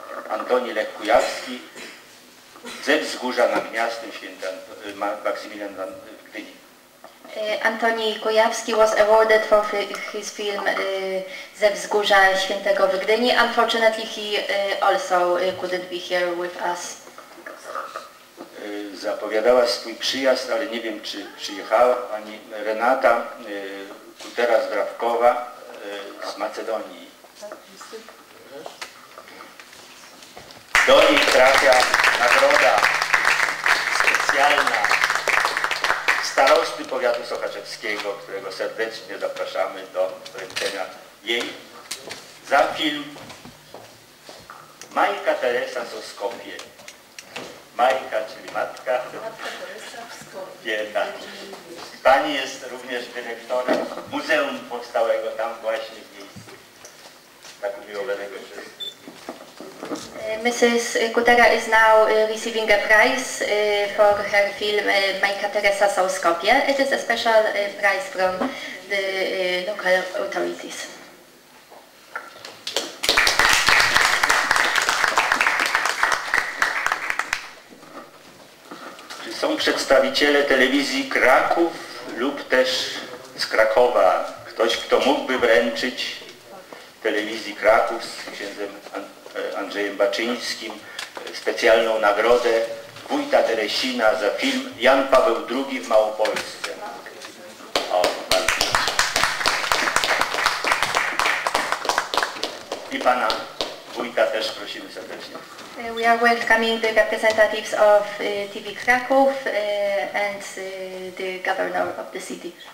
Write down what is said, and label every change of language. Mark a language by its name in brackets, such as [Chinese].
[Polish] Antoni Lech-Kujawski ze wzgórza nad miastem Święty Maksymilian w Gdyni. [English] Antoni Kujawski was awarded for his film Ze wzgórza świętego w Gdyni. Unfortunately, he also couldn't be here with us. [Polish] Zapowiadała swój przyjazd, ale nie wiem, czy przyjechała pani Renata Kutera-Zdrawkowa z Macedonii. Do niej trafia nagroda specjalna starosty powiatu sochaczewskiego, którego serdecznie zapraszamy do wręczenia jej za film Majka Teresa z Oskopie. Majka, czyli matka. Matka Teresa w Skopie. Pani jest również dyrektorem muzeum powstałego tam właśnie w miejscu. Tak umiłowanego przez. [English] Mrs. Kutera is now receiving a prize for her film Majka Teresa z Oskopie. It is a special prize from the local authorities. [Polish] Czy są przedstawiciele telewizji Kraków lub też z Krakowa? Ktoś, kto mógłby wręczyć telewizji Kraków z księdzem Andrzejem Baczyńskim specjalną nagrodę wójta Teresina za film Jan Paweł II w Małopolsce. O, bardzo. I pana wójta też prosimy serdecznie. [English] We are welcoming the representatives of TV Kraków and the governor of the city.